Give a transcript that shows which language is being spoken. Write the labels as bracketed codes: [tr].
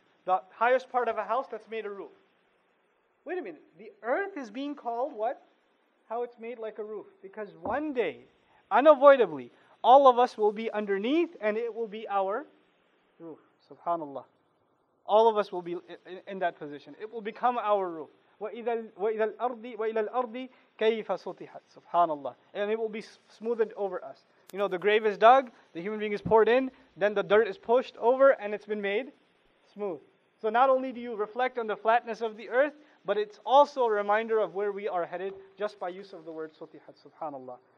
[en] The highest part of a house that's made a roof. Wait a minute, the earth is being called what? How it's made like a roof. Because one day, unavoidably, all of us will be underneath and it will be our roof. Subhanallah. All of us will be in that position. It will become our roof. [ar] وَإِذَا الْأَرْضِ كَيْفَ سُطِحَتْ Subhanallah. [en] And it will be smoothened over us. You know, the grave is dug, the human being is poured in, then the dirt is pushed over and it's been made smooth. So not only do you reflect on the flatness of the earth, but it's also a reminder of where we are headed just by use of the word sutihat, subhanAllah.